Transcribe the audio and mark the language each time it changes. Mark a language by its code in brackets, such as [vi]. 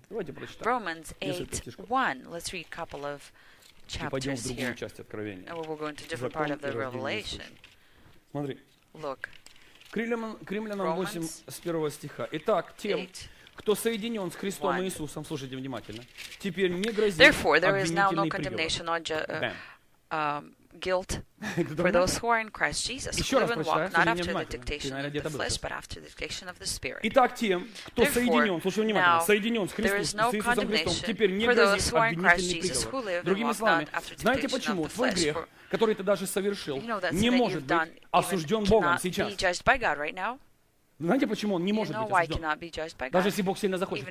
[ru] Давайте прочитаем несколько стишков. И пойдем в другую часть Откровения. Закон и разделение случаев. Смотри. [en] Look. [ru] Римлянам 8, с первого стиха. Итак, тем... кто соединен с Христом Иисусом, слушайте внимательно, теперь не грозит обвинительный приговор. [en] Guilt for those who are in Christ Jesus, who live and walk not after the dictation of the flesh, but after the dictation of the Spirit. [ru] Итак, тем, кто соединен, слушай внимательно, соединен с Христом Иисусом, теперь не грозит обвинительный приговор. Другими словами, знаете почему? Твой грех, который ты даже совершил, не может быть осужден Богом сейчас. Знаете, почему он не может быть осужден? Даже если Бог сильно захочет.